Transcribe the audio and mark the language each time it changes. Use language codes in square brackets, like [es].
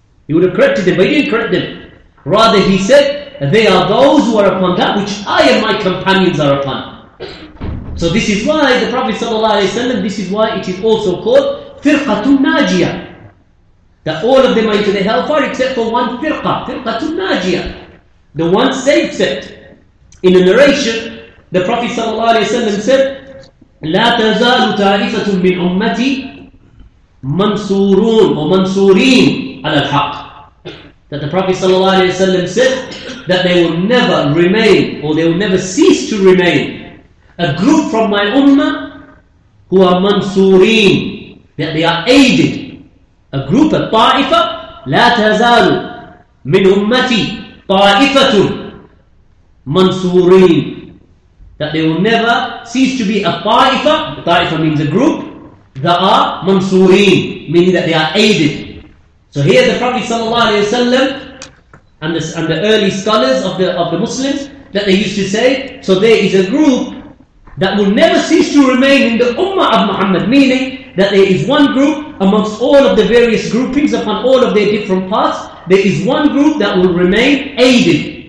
[en] He would have corrected them, but he didn't correct them. Rather, he said, they are those who are upon that which I and my companions are upon. So this is why the Prophet sallallahu alayhi wa sallam, this is why it is also called firqatun najiyah. That all of them are into the hellfire except for one firqa, firqatun najiyah. The one saved sect. In a narration, the Prophet sallallahu alayhi wa sallam said, [ar] لا تزال تائفة من أمتي منصورون ومنصورين على الحق. [en] That the Prophet sallallahu alayhi wa sallam said that they will never remain, or they will never cease to remain, a group from my ummah who are mansureen, that they are aided A group of ta'ifa, [ar] لا تزال من أمتي طائفة منصورين. [en] That they will never cease to be a ta'ifa. Ta'ifa means a group that are منصورين, meaning that they are aided. So here the Prophet sallallahu alayhi wa sallam and the early scholars of the Muslims, that they used to say, so there is a group that will never cease to remain in the Ummah of Muhammad, meaning that there is one group amongst all of the various groupings upon all of their different parts, there is one group that will remain aided.